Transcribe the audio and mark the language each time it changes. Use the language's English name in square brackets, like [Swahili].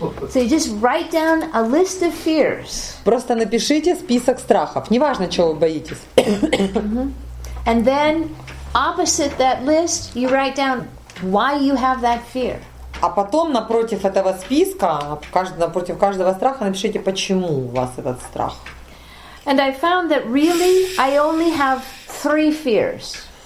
[English] So you just write down a list of fears. [Russian] Просто напишите список страхов. Неважно, чего вы боитесь. [English] And then opposite that list, you write down why you have that fear. [Russian] А потом напротив этого списка, напротив каждого страха, напишите, почему у вас этот страх. [English] And I found that really I only have three fears.